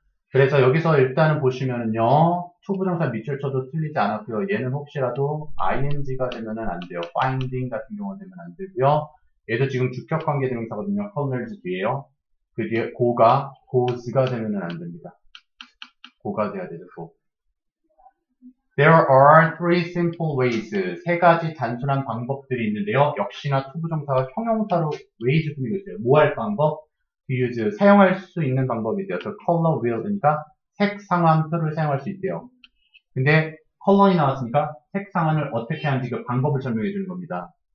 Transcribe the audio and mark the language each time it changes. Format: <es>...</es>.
<ko>그래서 여기서 일단은 보시면은요, 초보정사 밑줄 쳐도 틀리지 않았고요. 얘는 혹시라도 ing가 되면은 안 돼요. finding 같은 경우가 되면 안 되고요. 얘도 지금 주격관계대명사거든요. colors 뒤에요. 그 뒤에 go가, goes가 되면은 안 됩니다. go가 돼야 되죠, go.</ko> <en>There are three simple ways.</en> <ko>세 가지 단순한 방법들이 있는데요. 역시나 초보정사가 형용사로 ways 꾸미고 있어요. 뭐할 방법? use, 사용할 수 있는 방법이 되어서 color wheel, 그러니까 색상환표를 사용할 수 있대요. 근데 color이 나왔으니까 색상환을 어떻게 하는지 그 방법을 설명해 주는 겁니다.</ko>